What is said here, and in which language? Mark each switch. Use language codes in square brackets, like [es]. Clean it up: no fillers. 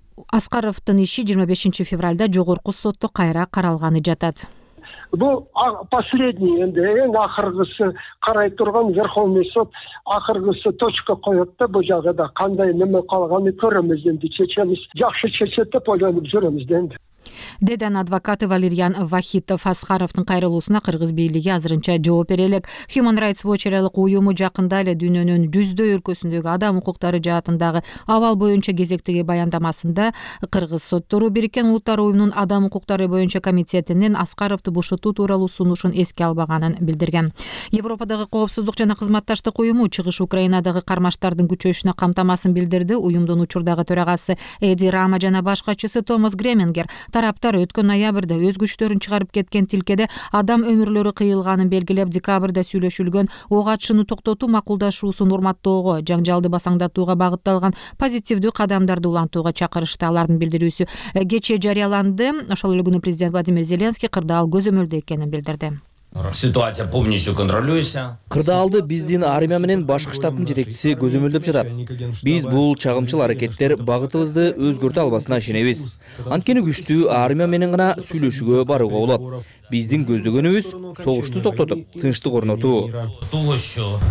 [ky] Аскаровдун иши 25 февралда жогорку сотто кайра каралганы жатат. Бул [ru] последний, [ky] эң акыркысы карай турган Верховный сот акыркысы точка коет да, бул жагда кандай неме калганы көрөмүз энди, чечемиз. Жакшы чечет деп ойлонуп жүрөмүз энди. Деден адвокаты Валерьян Вахитов. Аскаровдун кайрылуусуна кыргыз бийлиги азырынча жооп бере элек. Human Rights Watch эрелик уюму жакында эле дүйнөнүн 100 өлкөсүндөгү адам укуктары жаатындагы абал боюнча кезектеги баяндамасында кыргыз соттору Бириккен Улуттар Уюмунун адам укуктары боюнча комитетинин Аскаровду бошотуу тууралуу сунушун эске албаганын билдирген. Европадагы коопсуздук жана кызматташтык уюму Чыгыш Украинадагы кармаштардын күчөшүнө камтамасын билдирди. Уюмдун учурдагы төрагасы Эди Рама жана башкачысы Томас Гремингер. Тараптар өткөн ноябрда өз күчтөрүн чыгарып кеткен тилкеде адам өмүрлөрү кыйылганын белгилеп, декабрда сүйлөшүлгөн ок атышууну токтотуу макулдашуусун урматтоого, жаңжалды басаңдатууга багытталган позитивдүү кадамдарды улантууга чакырышты. Алардын билдирүүсү кечээ жарыяланды. Ошол эле күнү президент Владимир Зеленский кырдаал көзөмөлдө экенин билдирди. [ru] Ситуация полностью контролируется. [ky] Кырдаалды биздин армия менен башкы штабтын жетекчиси көзөмөлдөп жатат. Биз бул чагымчыл аракеттер багытыбызды өзгөртө албасына ишенебиз. Анткени күчтүү армия менен гана сүйлөшүүгө барууга болот. Биздин көздөгөнүбүз согушту токтотуп, тынчтык орнотуу.